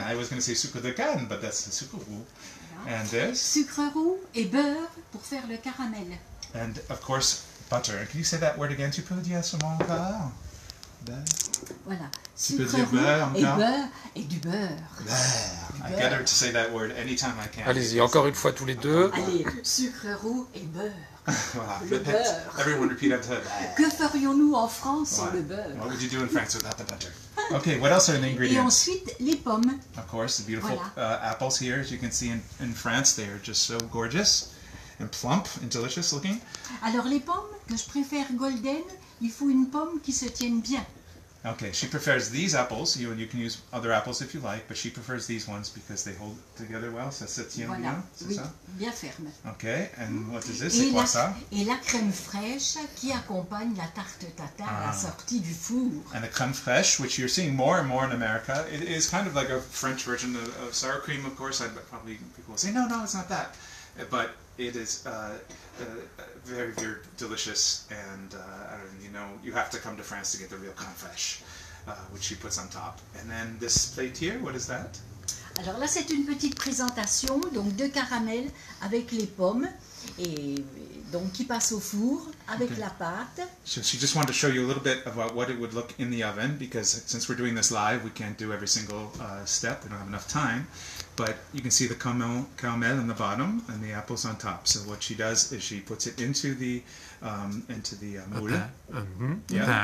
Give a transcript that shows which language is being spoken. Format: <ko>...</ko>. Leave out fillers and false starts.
<en>I was going to say sucre de canne, but that's sucre roux. Voilà. And this?</en> <fr>Sucre roux et beurre pour faire le caramel.</fr> <en>And, of course, butter. Can you say that word again?</en> <fr>Tu peux le dire à ce moment-là? Voilà. Sucre roux et du beurre.</fr> <en>I get her to say that word anytime I can.</en> <fr>Allez-y, encore une fois tous les deux. Allez, sucre roux et beurre. Voilà. Le beurre.</fr> <en>Everyone repeat after that.</en> <fr>Que ferions-nous en France sans le beurre?</fr> <en>What would you do in France without the butter? Okay, what else are the ingredients?</en> <fr>Et ensuite, les pommes.</fr> <en>Of course, the beautiful apples here, as you can see in France, they are just so gorgeous and plump and delicious looking.</en> <fr>Alors les pommes que je préfère golden. Il faut une pomme qui se tienne bien.</fr> <en>Okay, she prefers these apples. You can use other apples if you like, but she prefers these ones because they hold together well.</en> <fr>Ça se tient voilà. Bien, c'est oui. Ça? Bien ferme.</fr> <en>Okay, and what is this?</en> <fr>C'est quoi ça? Et la crème fraîche qui accompagne la tarte tatin à la sortie du four.</fr> <en>And the crème fraîche, which you're seeing more and more in America, it is kind of like a French version of sour cream, of course. I'd probably people say, no, it's not that. But it is very, very delicious, and you have to come to France to get the real crème fraîche, which she puts on top. And then this plate here, what is that?</en> <fr>Alors là, c'est une petite présentation, donc de caramel avec les pommes, et donc qui passe au four avec la pâte.</fr> <en>So she just wanted to show you a little bit about what it would look in the oven, because since we're doing this live, we can't do every single step, we don't have enough time. But you can see the caramel on the bottom and the apples on top. So what she does is she puts it into the moule.</en>